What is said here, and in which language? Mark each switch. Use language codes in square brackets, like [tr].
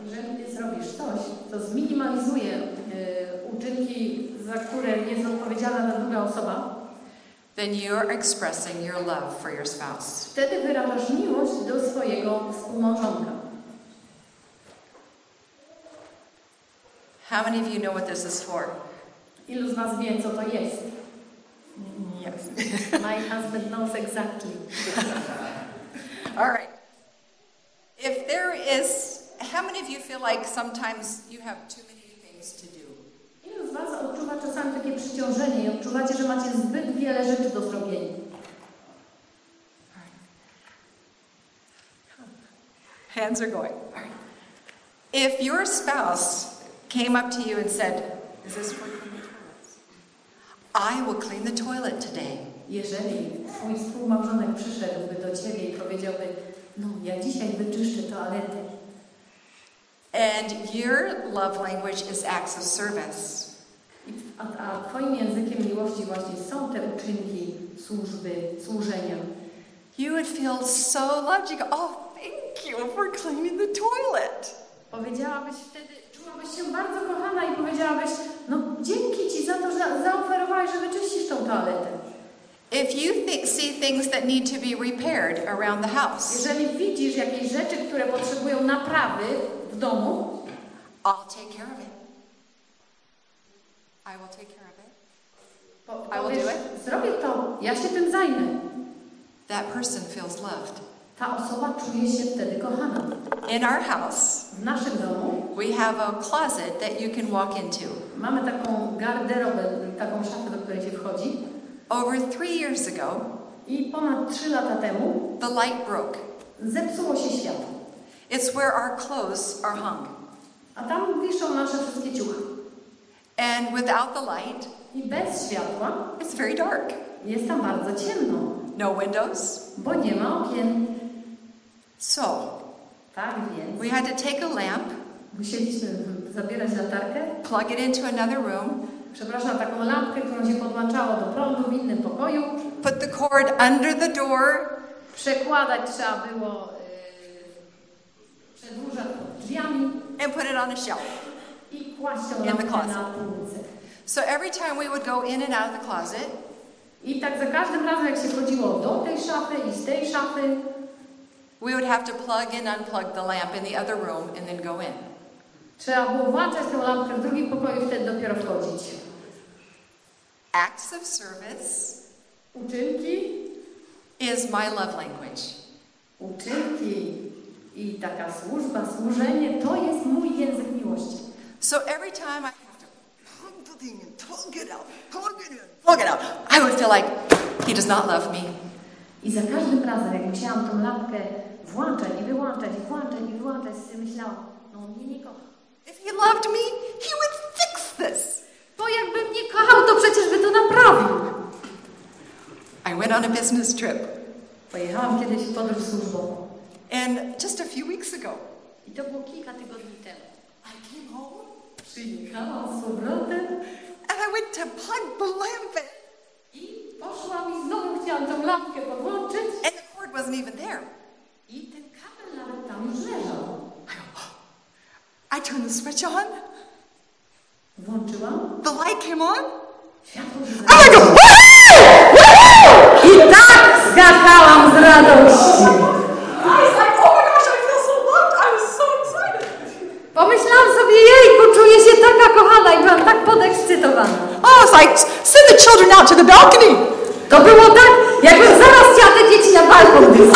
[pl] Jeżeli ty zrobisz coś, co zminimalizuje uczynki, za które jest odpowiedzialna ta druga osoba, [en] then you're expressing your love for your spouse. [pl] Wtedy wyrażasz miłość do swojego współmałżonka. [en] How many of you know what this is for? [pl] Ilu z was wie, co to jest? [en] Yes. My husband knows exactly. All right. If there is, how many of you feel like sometimes you have too many things to do? [pl] Ilu z was odczuwa czasami takie przyciążenie i odczuwacie, że macie zbyt wiele rzeczy do zrobienia? [en] Right. Hands are going. All right. If your spouse came up to you and said, is this for cleaning the toilets? I will clean the toilet today. [pl] Jeżeli twój współmałżonek przyszedłby do ciebie i powiedziałby, no ja dzisiaj wyczyszczę toaletę. [en] And your love language is acts of service. [pl] A twoim językiem miłości właśnie są te uczynki służby, służenia. [en] You would feel so loved. You go, oh, thank you for cleaning the toilet. [pl] Powiedziałabyś wtedy, czułabyś się bardzo kochana i powiedziałabyś, no dzięki ci za to, że zaoferowałeś, że wyczyścisz tą toaletę. [en] If you see things that need to be repaired around the house, [pl] jeżeli widzisz jakieś rzeczy, które potrzebują naprawy w domu, [en] I'll take care of it. I will take care of it. I will do it. [pl] Zrobię to. Ja się tym zajmę. [en] That person feels loved. [pl] Ta osoba czuje się wtedy kochana. [en] In our house, [pl] w naszym domu, [en] we have a closet that you can walk into. [pl] Mamy taką garderobę, taką szafę, do której się wchodzi. [en] Over 3 years ago, [pl] i ponad 3 lata temu, [en] the light broke. [pl] Zepsuło się światło. [en] It's where our clothes are hung. [pl] A tam wiszą nasze wszystkie ciuchy. [en] And without the light, [pl] i bez światła, [en] it's very dark. [pl] Jest tam bardzo ciemno. [en] No windows. [pl] Bo nie ma okien. [en] So, [pl] tak więc, [en] we had to take a lamp. [pl] Musieliśmy zabierać latarkę. [en] Plug it into another room. [pl] Przepraszam, taką lampkę, którą się podłączało do prądu w innym pokoju. [en] Put the cord under the door. [pl] Przekładać trzeba było przedłuża drzwiami. [en] And put it on a shelf. [pl] I kłaść ją [en] in the closet. [pl] Na półce. [en] So every time we would go in and out of the closet. [pl] I tak za każdym razem, jak się chodziło do tej szafy i z tej szafy. [en] We would have to plug and unplug the lamp in the other room and then go in. [pl] Trzeba było włączać tę lampkę w drugim pokoju i wtedy dopiero wchodzić. [en] Acts of service. [pl] Uczynki. [en] Is my love language. [pl] Uczynki. I taka służba, służenie, to jest mój język miłości. [en] So every time I have to plug the thing and plug it out, plug it in, plug it out, I would feel like he does not love me. [pl] I za każdym razem, jak musiałam tą lampkę włączać i wyłączać, i włączać i wyłączać, sobie myślałam, no on mnie nie kocha. [en] If he loved me, he would fix this. [pl] Bo jakby mnie kochał, to przecież by to naprawił. [en] I went on a business trip. [pl] Pojechałam kiedyś w podróż służbową. [en] And just a few weeks ago. [pl] I to było kilka tygodni temu. [en] I came home. [pl] Przyjechałam z powrotem. [en] And I went to plug the lamp in. [pl] I poszłam i znowu chciałam tą lampkę podłączyć. [en] And the cord wasn't even there. [pl] I ten kabel nawet tam już leżał. [en] I turned the switch on. [pl] Włączyłam. [en] The light came on. [pl] Światło zaczęło. I tak skakałam z radości. Pomyślałam sobie, jejku, czuję się taka kochana i byłam tak podekscytowana. [en] I was like, send the children out to the balcony. [pl] To było tak, jakbym zaraz chciała te dzieci na balkon.